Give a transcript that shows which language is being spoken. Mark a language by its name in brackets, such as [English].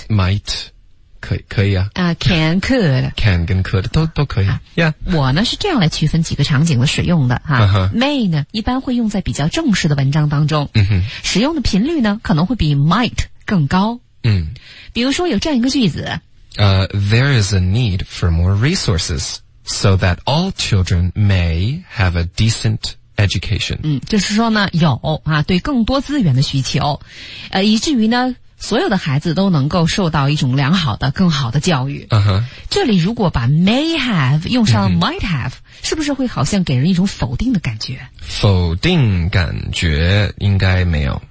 [Chinese] might。 可以啊。 [English] can, could. [Chinese] Can 跟 could 都可以。Yeah. 我呢是这样来区分几个场景的使用的哈。 May 呢一般会用在比较正式的文章当中。 Uh-huh. 使用的频率呢可能会比 might 更高。嗯、uh-huh.。比如说有这样一个句子。 [English] There is a need for more resources so that all children may have a decent education. [Chinese] 嗯，就是说呢有啊对更多资源的需求。以至于呢所有的孩子都能够受到一种良好的更好的教育、 uh-huh. 这里如果把 may have 用上 might have、mm-hmm. 是不是会好像给人一种否定的感觉否定感觉应该没有